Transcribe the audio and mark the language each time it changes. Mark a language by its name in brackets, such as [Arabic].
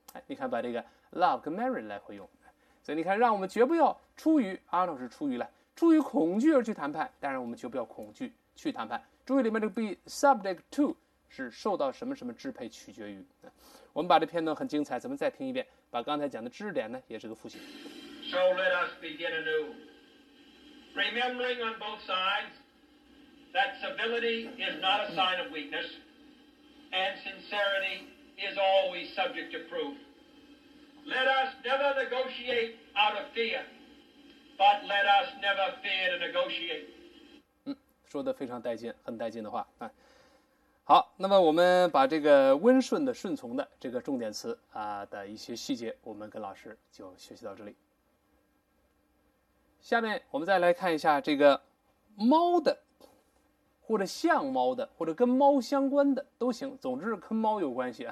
[Chinese] 哎，你看把这个 love 跟 marriage 来回用，所以你看让我们绝不要出于 Arnold 是出于了出于恐惧而去谈判，当然我们绝不要恐惧去谈判，注意里面这个 be subject to 是受到什么什么支配取决于。我们把这片段很精彩，咱们再听一遍，把刚才讲的知识点呢也是个复习。 [English] So let us begin anew, remembering on both sides that civility is not a sign of weakness, and sincerity is always subject to proof. Let us never negotiate out of fear, but let us never fear to negotiate. [Chinese] 说的非常带劲，很带劲的话、啊、好，那么我们把这个温顺的、顺从的这个重点词啊的一些细节，我们跟老师就学习到这里。下面我们再来看一下这个猫的，或者像猫的，或者跟猫相关的都行，总之跟猫有关系。